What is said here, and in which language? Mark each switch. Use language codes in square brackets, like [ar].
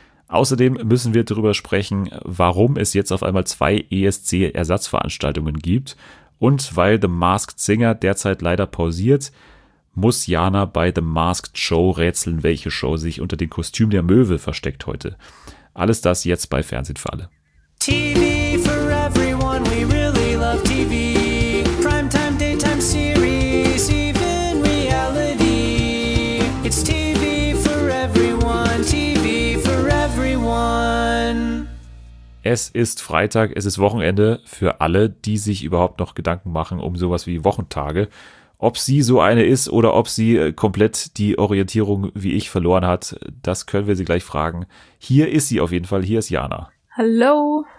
[de] Außerdem müssen wir darüber sprechen, warum es jetzt auf einmal zwei ESC-Ersatzveranstaltungen gibt. Und weil The Masked Singer derzeit leider pausiert, muss Jana bei The Masked Show rätseln, welche Show sich unter dem Kostüm der Möwe versteckt heute. Alles das jetzt bei Fernsehen für alle. [en] TV for everyone, we really love TV. Primetime, daytime series, even reality. It's TV for everyone, TV for everyone. [de] Es ist Freitag, es ist Wochenende für alle, die sich überhaupt noch Gedanken machen um sowas wie Wochentage. Ob sie so eine ist oder ob sie komplett die Orientierung wie ich verloren hat, das können wir sie gleich fragen. Hier ist sie auf jeden Fall, hier ist Jana. Hallo.